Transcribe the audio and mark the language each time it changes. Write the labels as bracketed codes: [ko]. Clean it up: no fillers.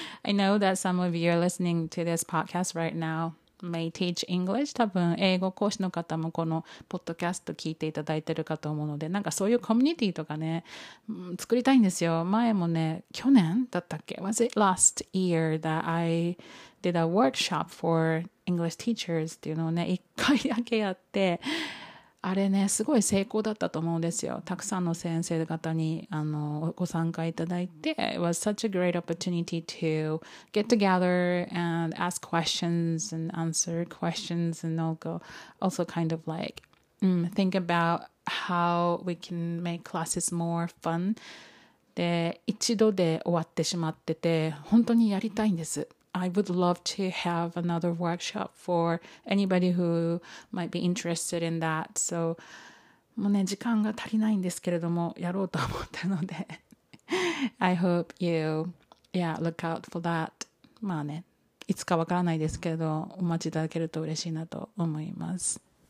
[en] I know that some of you are listening to this podcast right now. May teach English. [ja] 多分英語講師の方もこのポッドキャスト聞いていただいてるかと思うので、なんかそういうコミュニティとかね、作りたいんですよ。前もね、去年だったっけ [en] Was it last year that I did a workshop for English teachers [ja] っていうのをね、一回だけやって、あれねすごい成功だったと思うんですよ。たくさんの先生方にご参加いただいて、 [en] It was such a great opportunity to get together and ask questions and answer questions and also kind of like、think about how we can make classes more fun。 [ja] で一度で終わってしまってて本当にやりたいんです。 [en] I would love to have another workshop for anybody who might be interested in that. [ja] So, もうね、時間が足りないんですけれども、やろうと思ったので。 [en] I hope you, yeah, look out for that. [ja] まあね、いつかわからないですけど、お待ちいただけると嬉しいなと思います。